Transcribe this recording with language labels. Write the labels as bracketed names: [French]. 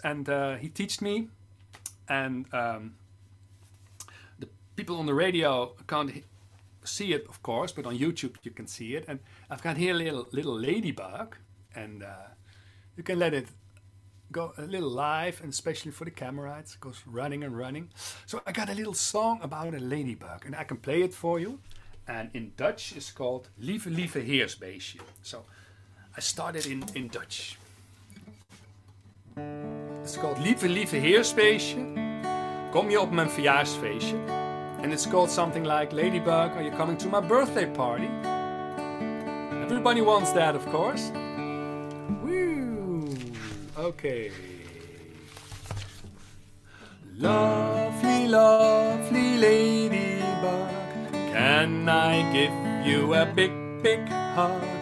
[English] And he teached me. And the people on the radio can't see it, of course, but on YouTube you can see it. And I've got here a little ladybug, and you can let it go a little live, and especially for the camera, it goes running and running. So I got a little song about a ladybug, and I can play it for you. And in Dutch it's called Lieve Lieve Heersbeestje. So I started in Dutch. It's called [Dutch] Lieve Lieve Heersbeestje, kom je op mijn verjaarsfeestje. [English] And it's called something like, Ladybug, are you coming to my birthday party? Everybody wants that, of course. Woo! Okay. Lovely, lovely ladybug, can I give you a big, big hug?